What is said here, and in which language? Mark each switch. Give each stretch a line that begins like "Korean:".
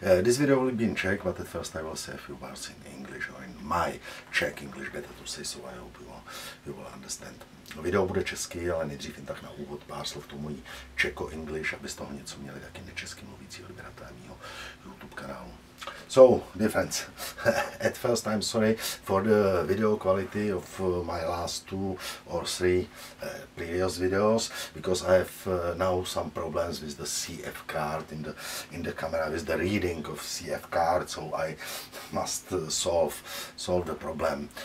English: This video will be in Czech, but at first I will say a few words in English or in my Czech English, better to say so, I hope you will understand.
Czech: Video bude česky, ale nejdřív jen tak na úvod pár slov tomu mojí Czecho English, aby z toho něco měli taky nečesky mluvící odběratel mýho YouTube kanálu.
English: So, dear friends, at first I'm sorry for the video quality of my last two or three previous videos, because I have now some problems with the CF card in the camera, with the reading of CF card, so I must solve the problem.